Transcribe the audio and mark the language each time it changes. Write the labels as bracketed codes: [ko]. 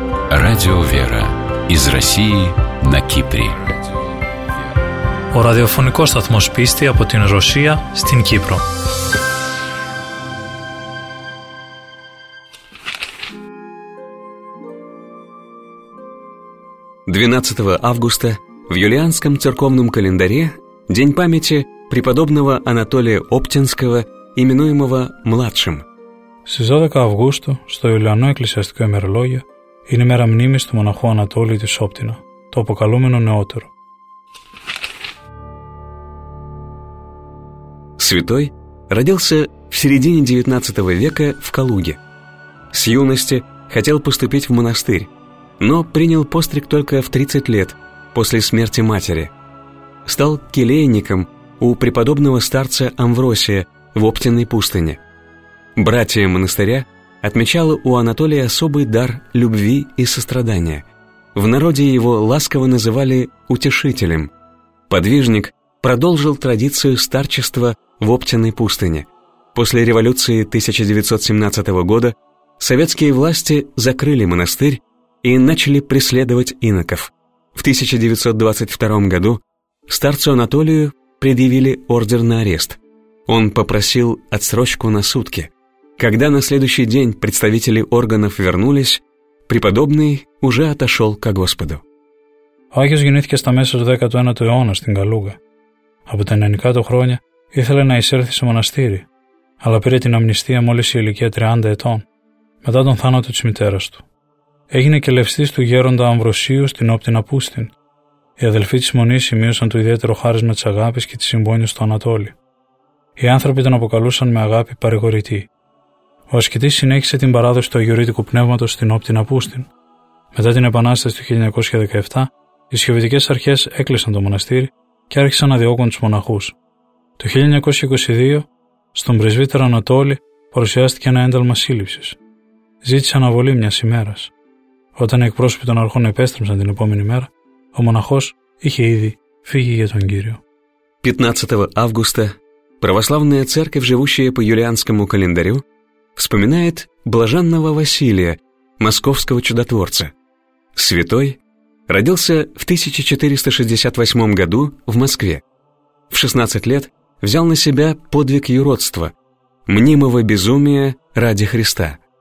[ru] Радио «Вера» из России на Кипре. [el] Ο ραδιοφωνικός σταθμός πίστη από την Ρωσία στην Κύπρο. [ru] августа в юлианском церковном календаре день памяти преподобного Анатолия Оптинского, именуемого младшим. [el] Στις 12 Αυγούστου, στο Ιουλιανό Εκκλησιαστικό ημερολόγιο, είναι η μέρα μνήμης του μοναχού Ανατόλη της Όπτινα, το αποκαλούμενο νεότερο. [ru] Святой родился в середине 19 века в Калуге. С юности хотел поступить в монастырь, но принял постриг только в 30 лет после смерти матери. Стал келейником у преподобного старца Амвросия в Оптиной пустыне. Братья монастыря отмечали у Анатолия особый дар любви и сострадания. В народе его ласково называли «утешителем». Подвижник продолжил традицию старчества в Оптиной пустыне. После революции 1917 года советские власти закрыли монастырь и начали преследовать иноков. В 1922 году старцу Анатолию предъявили ордер на арест. Он попросил отсрочку на сутки. Когда на следующий день представители органов вернулись, преподобный уже отошел ко Господу. [el] Άγιος γεννήθηκε στα μέσα του 19ου αιώνα στην Καλούγα. Από τα 90 του χρόνια ήθελε να εισέλθει σε μοναστήρι, αλλά πήρε την αμνηστία μόλις η ηλικία 30 ετών, μετά τον θάνατο της μητέρας του. Έγινε κελευστής του γέροντα Αμβροσίου στην Όπτινα Πούστην. Οι αδελφοί της μονής σημείωσαν το ιδιαίτερο χάρισμα της αγάπης και της συμπόνιας του Ανατόλη. Οι άνθρωποι τον αποκαλούσαν με αγάπη παρηγορητή. Ο ασκητής συνέχισε την παράδοση του αγιορείτικου πνεύματος στην Όπτινα Πούστην. Μετά την Επανάσταση του 1917, οι σιωπητικές αρχές έκλεισαν το μοναστήρι και άρχισαν να διώκουν τους μοναχούς. Το 1922, στον πρεσβύτερο Ανατόλη παρουσιάστηκε ένα ένταλμα σύλληψης. Ζήτησε αναβολή μιας ημέρας. Όταν οι εκπρόσωποι των αρχών επέστρεψαν την επόμενη μέρα, ο μοναχός είχε ήδη φύγει για τον Κύριο. [ru] 15 Αύγουστα, Православная Церковь, живущая по юлианскому календарю, вспоминает блаженного Василия, московского чудотворца. Святой родился в 1468 году в Москве. В 16 лет взял на себя подвиг юродства, мнимого безумия ради Христа.